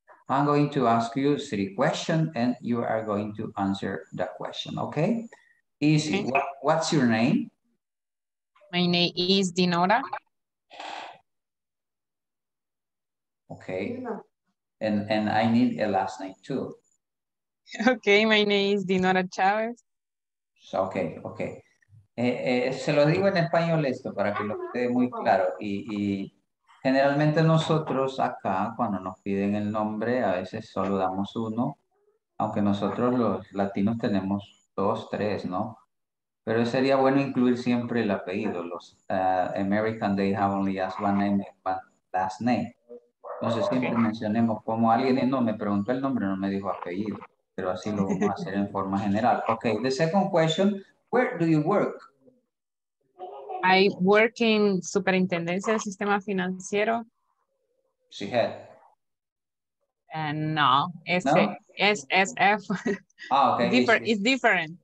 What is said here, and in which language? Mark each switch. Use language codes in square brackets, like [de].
[en] I'm going to ask you 3 questions and you are going to answer the question, okay? Easy, what's your name? My name is Dinora. Okay, and I need a last name too. Okay, my name is Dinora Chávez. Okay, okay. [es] Se lo digo en español esto para que lo quede muy claro. Y generalmente nosotros acá, cuando nos piden el nombre, a veces solo damos uno, aunque nosotros los latinos tenemos 2, 3, ¿no? Pero sería bueno incluir siempre el apellido. [en] Los American, they have only asked one name and one last name. [es] Entonces siempre mencionemos como alguien no me preguntó el nombre, no me dijo apellido, pero así lo vamos a hacer en forma general. [en] Ok, the second question, where do you work? I work in Superintendencia del Sistema Financiero. [es] Sí, head. No, SSF. Ah, ok. [en] It's different.